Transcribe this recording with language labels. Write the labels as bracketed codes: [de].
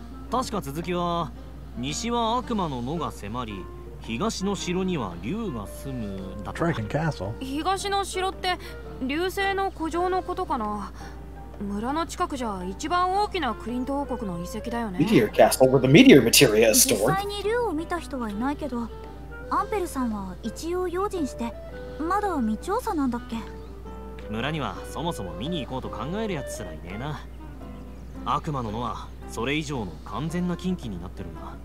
[ja] 確か続きは、西は悪魔の野が迫り、東の城には竜が住む、だった。 [en] Dragon Castle。 [ja] 東の城って竜星の古城のことかな。村の近くじゃ一番大きなクリント王国の遺跡だよね。 [en] Meteor Castle, where the meteor material is stored. [ja] 実際に竜を見た人はいないけど、アンペルさんは一応用心して、まだ未調査なんだっけ。村にはそもそも見に行こうと考えるやつすらいねえな。悪魔の野はそれ以上の完全な禁忌になってるんだ。